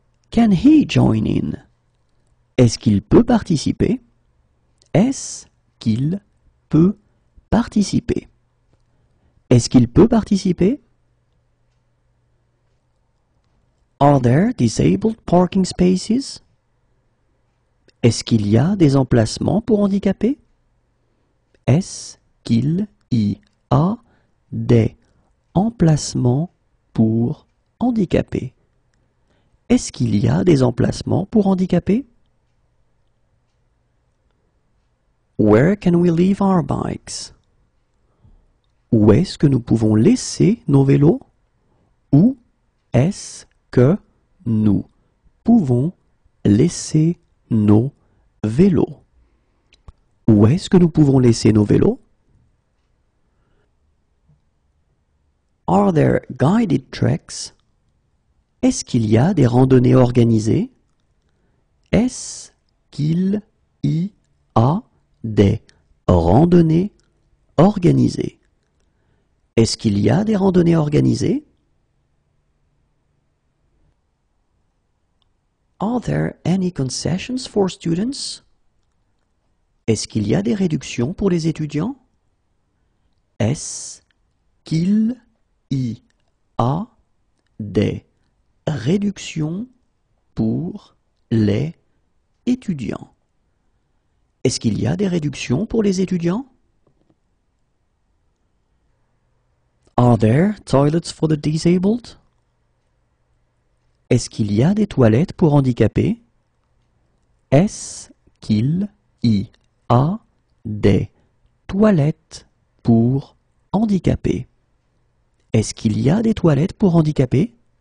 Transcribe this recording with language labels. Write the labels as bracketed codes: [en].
[en] Can he join in? [fr] Est-ce qu'il peut participer? Est-ce qu'il peut participer? Est-ce qu'il peut participer? [en] Are there disabled parking spaces? [fr] Est-ce qu'il y a des emplacements pour handicapés? Est-ce qu'il y a des emplacements pour handicapés? Est-ce qu'il y a des emplacements pour handicapés? [en] Where can we leave our bikes? [fr] Où est-ce que nous pouvons laisser nos vélos? Où est-ce que nous pouvons laisser nos vélo. Où est-ce que nous pouvons laisser nos vélos? [en] Are there guided treks? [fr] Est-ce qu'il y a des randonnées organisées? Est-ce qu'il y a des randonnées organisées? Est-ce qu'il y a des randonnées organisées? [en] Are there any concessions for students? [fr] Est-ce qu'il y a des réductions pour les étudiants? Est-ce qu'il y a des réductions pour les étudiants. Est-ce qu'il y a des réductions pour les étudiants? [en] Are there toilets for the disabled? [fr] Est-ce qu'il y a des toilettes pour handicapés? Est-ce qu'il y a des toilettes pour handicapés? Est-ce qu'il y a des toilettes pour handicapés?